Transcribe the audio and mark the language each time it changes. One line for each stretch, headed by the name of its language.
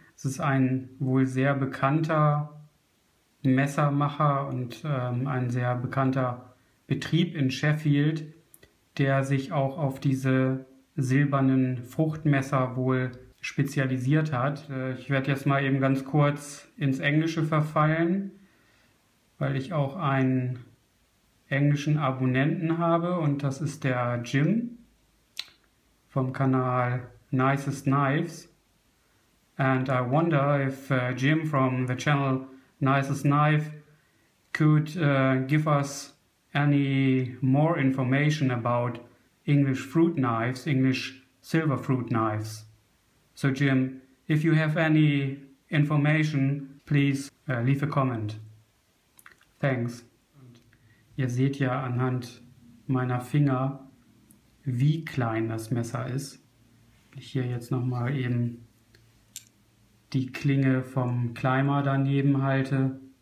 German: Es ist ein wohl sehr bekannter Messermacher und ein sehr bekannter Betrieb in Sheffield, der sich auch auf diese silbernen Fruchtmesser wohl spezialisiert hat. Ich werde jetzt mal eben ganz kurz ins Englische verfallen, weil ich auch einen englischen Abonnenten habe und das ist der Jim vom Kanal Nicest Knives.
English: And I wonder if Jim from the channel Nicest Knife could give us any more information about English fruit knives, English silver fruit knives. So Jim, if you have any information, please leave a comment. Thanks.
German: Ihr seht ja anhand meiner Finger, wie klein das Messer ist. Ich hier jetzt nochmal eben die Klinge vom Climber daneben halte.